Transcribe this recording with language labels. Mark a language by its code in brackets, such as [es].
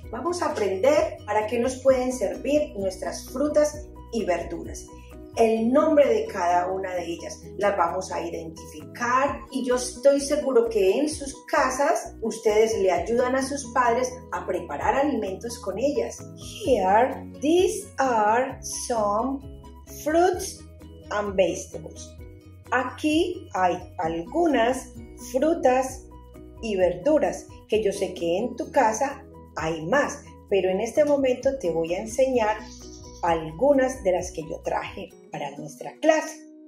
[es] Vamos a aprender para qué nos pueden servir nuestras frutas y verduras. El nombre de cada una de ellas las vamos a identificar y yo estoy seguro que en sus casas ustedes le ayudan a sus padres a preparar alimentos con ellas. [en] Here, these are some fruits and vegetables. [es] Aquí hay algunas frutas y verduras que yo sé que en tu casa hay más, pero en este momento te voy a enseñar algunas de las que yo traje para nuestra clase.